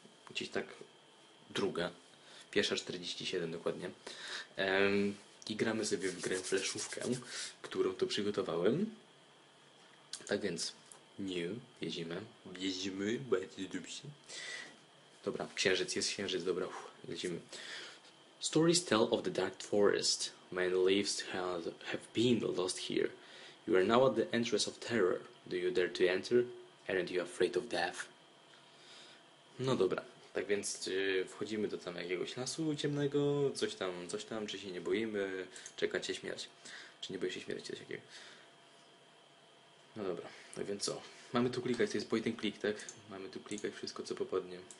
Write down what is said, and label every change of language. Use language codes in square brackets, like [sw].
[pl] Gdzieś tak. Druga. Pierwsza 47 dokładnie. I gramy sobie w grę fleszówkę, którą tu przygotowałem. Tak więc, new, jedziemy. Jedziemy, bardzo dobrze. Dobra, księżyc, jest księżyc, dobra, lecimy. [en] Stories tell of the dark forest. Many lives have been lost here. You are now at the entrance of terror. Do you dare to enter? Aren't you afraid of death? [pl] No dobra, tak więc wchodzimy do tam jakiegoś lasu ciemnego, coś tam, czy się nie boimy, czekacie śmierć. Czy nie boisz się śmierci, coś takiego. No dobra, no więc co? Mamy tu klikać, to jest point and click, tak? Mamy tu klikać wszystko, co popadnie.